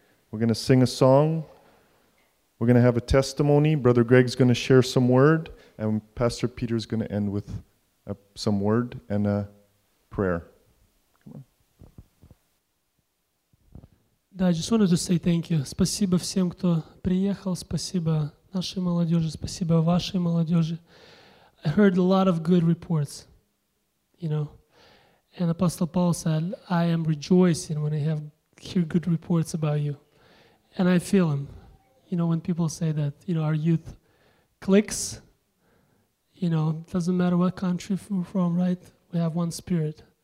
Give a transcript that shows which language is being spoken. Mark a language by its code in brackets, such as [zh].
[en] We're going to sing a song. We're going to have a testimony. Brother Greg's going to share some word. And Pastor Peter's going to end with some word and a prayer. Да, I just wanted to say thank you. [ru] Спасибо всем, кто приехал. Спасибо нашей молодежи. Спасибо вашей молодежи. [en] I heard a lot of good reports, you know. And Apostle Paul said, I am rejoicing when I hear good reports about you. And I feel him. You know, when people say that, you know, our youth clicks, you know, it doesn't matter what country we're from, right? We have one spirit.